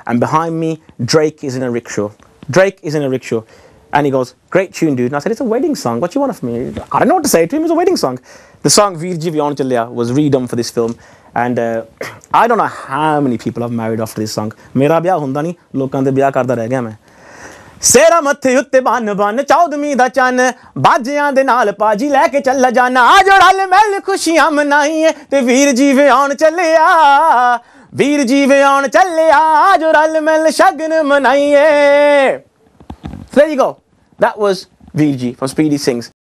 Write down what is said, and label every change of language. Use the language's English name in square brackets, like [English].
[English] And behind me, Drake is in a rickshaw. Drake is in a rickshaw. And he goes, great tune, dude. And I said, it's a wedding song. What do you want from me? I don't know what to say to him. It's a wedding song. The song Virji Vyonchalia was redone for this film. And I don't know how many people I've married after this song. [Punjabi] Mera bia hunda ni, lokan de bia karda reh gaya main. Cera ਮੱਥੇ ਉੱਤੇ ਬੰਨ ਬੰਨ ਚੌਦਵੀਂ ਦਾ ਚੰਨ ਬਾਜਿਆਂ ਦੇ ਨਾਲ ਪਾਜੀ ਲੈ ਕੇ ਚੱਲ ਜਾਣਾ ਆ ਜੋ ਰਲ ਮਿਲ ਖੁਸ਼ੀਆਂ ਮਨਾਈਏ ਤੇ ਵੀਰ ਜੀ ਵਿਆਉਣ ਚੱਲਿਆ ਵੀਰ ਜੀ ਵਿਆਉਣ ਚੱਲਿਆ ਆ ਜੋ ਰਲ ਮਿਲ ਸ਼ਗਨ ਮਨਾਈਏ [English] There you go. That was VG from Speedy Sings.